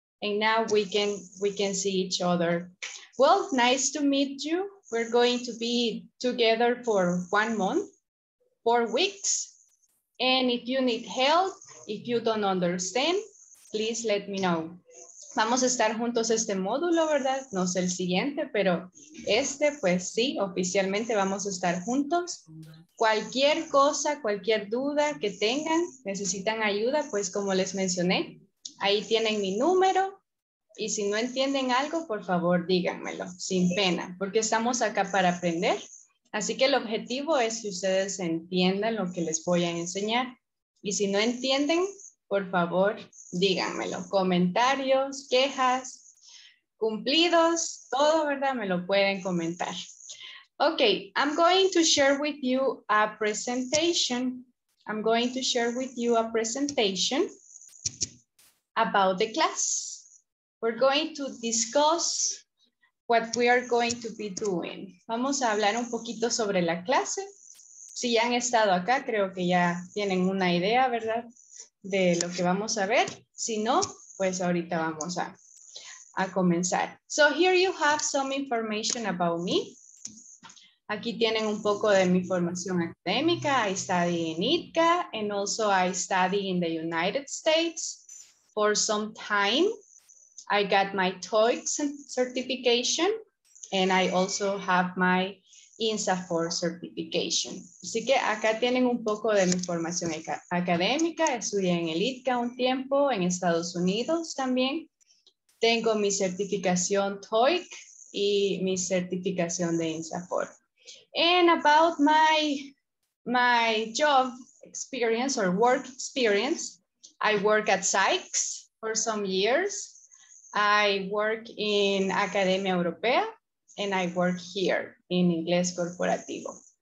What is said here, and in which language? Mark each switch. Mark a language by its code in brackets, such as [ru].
[en] And now we can see each other. Well, nice to meet you. We're going to be together for 1 month. 4 weeks, and if you need help, if you don't understand, please let me know. [es] Vamos a estar juntos este módulo, ¿verdad? No sé el siguiente, pero este, pues sí, oficialmente vamos a estar juntos. Cualquier cosa, cualquier duda que tengan, necesitan ayuda, pues como les mencioné, ahí tienen mi número, y si no entienden algo, por favor, díganmelo, sin pena, porque estamos acá para aprender. Así que el objetivo es que ustedes entiendan lo que les voy a enseñar. Y si no entienden, por favor, díganmelo. Comentarios, quejas, cumplidos, todo, ¿verdad? Me lo pueden comentar. [en] Okay, I'm going to share with you a presentation. I'm going to share with you a presentation about the class. We're going to discuss what we are going to be doing. [es] Vamos a hablar un poquito sobre la clase. Si ya han estado acá, creo que ya tienen una idea, ¿verdad? De lo que vamos a ver. Si no, pues ahorita vamos a comenzar. [en] So here you have some information about me. [es] Aquí tienen un poco de mi formación académica. [en] I study in ITCA and also I study in the United States for some time. I got my TOEIC certification and I also have my INSAFORP certification. [es] Así que acá tienen un poco de mi formación académica. Estudié en el ITCA un tiempo, en Estados Unidos también. Tengo mi certificación TOEIC y mi certificación de INSAFORP. [en] And about my job experience or work experience, I work at SAICS for some years. I work in Academia Europea and I work here in Inglés Corporativo.